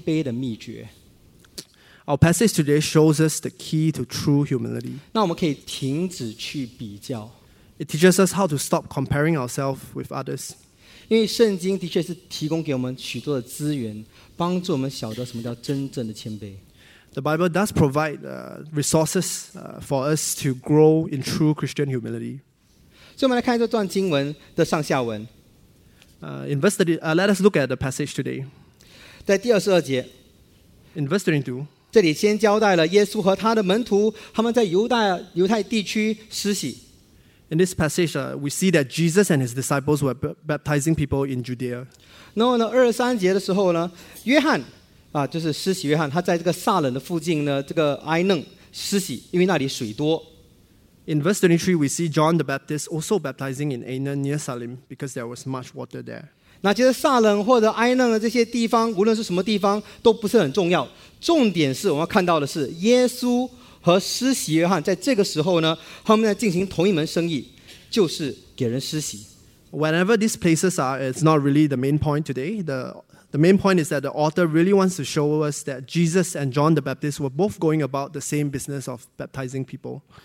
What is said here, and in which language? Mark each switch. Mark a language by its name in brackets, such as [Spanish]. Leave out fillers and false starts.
[Chinese] 但我们今天的经文是要告诉我们说，什么叫做谦卑的秘诀。 [English] Our passage today shows us the key to true humility. [Chinese] 那我们可以停止去比较。 [English] It teaches us how to stop comparing ourselves with others. [Chinese] 因为圣经的确是提供给我们许多的资源，帮助我们晓得什么叫真正的谦卑。 [English] The Bible does provide resources for us to grow in true Christian humility. [Chinese] 所以我们来看一段经文的上下文。 [English] Let us look at the passage today. [Chinese] 在第22节, [English] in verse 22, [Chinese] 这里先交代了耶稣和他的门徒他们在犹太地区施洗。 [English] In this passage, we see that Jesus and his disciples were baptizing people in Judea. [Chinese] 然后呢，23节的时候呢，约翰，就是施洗约翰，他在这个撒冷的附近呢，这个埃嫩施洗，因为那里水多。 [English] In verse 23, we see John the Baptist also baptizing in Ainon near Salim because there was much water there. [Chinese] 那其实撒冷或者埃嫩的这些地方，无论是什么地方，都不是很重要。重点是我们要看到的是，耶稣和施洗约翰在这个时候呢，他们在进行同一门生意。就是给人施洗。 [English] Whenever this places are, it's not really the main point today. The main point is that the author really wants to show us that Jesus and John the Baptist were both going about the same business of baptizing people.